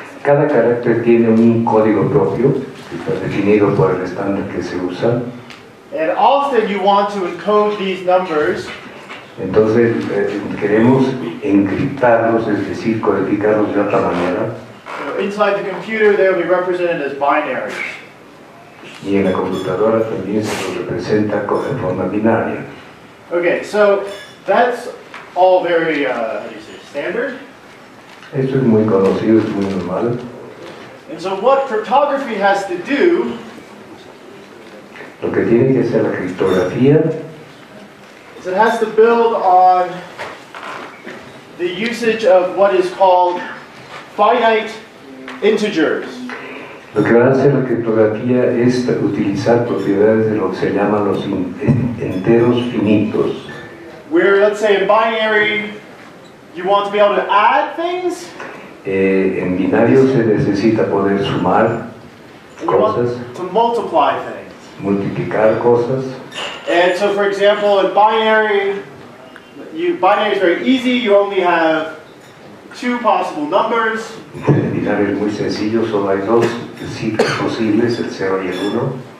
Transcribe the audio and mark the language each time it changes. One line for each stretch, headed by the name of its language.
Spanish: Cada carácter tiene un código propio, definido por el estándar que se usa.
English: And often you want to encode these numbers.
Spanish: Entonces queremos encriptarlos, es decir, codificarlos de otra manera.
English: So inside the computer, they will be represented as binaries.
Spanish: Y en la computadora también se los representa de forma binaria.
English: Okay, so that's all very standard.
Spanish: Esto es muy conocido, es muy normal.
English: And so what cryptography has to do?
Spanish: Lo que tiene que hacer la criptografía.
English: So it has to build on the usage of what is called finite integers.
Spanish: Lo que va a hacer la criptografía es utilizar propiedades de lo que se llaman los enteros finitos.
English: Where, let's say, in binary, you want to be able to add things.
Spanish: En binario se necesita poder sumar cosas.
English: To multiply things.
Spanish: Multiplicar cosas.
English: And so, for example, in binary, binary is very easy. You only have two possible numbers.
Spanish: Binario es muy sencillo. Solo hay dos cifras posibles, el 0 y el 1.